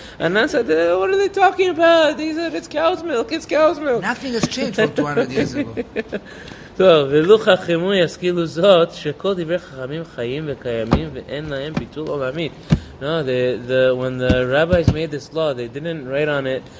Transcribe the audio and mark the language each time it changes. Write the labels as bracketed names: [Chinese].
[English] And I said, what are they talking about? They said, it's cow's milk. Nothing has changed from 200 years ago. [Hebrew] So, ולו חכמו ישכילו זאת שכל דברי חכמים חיים וקיימים ואין להם ביטול עולמי. [English] No, when the rabbis made this law, they didn't write on it.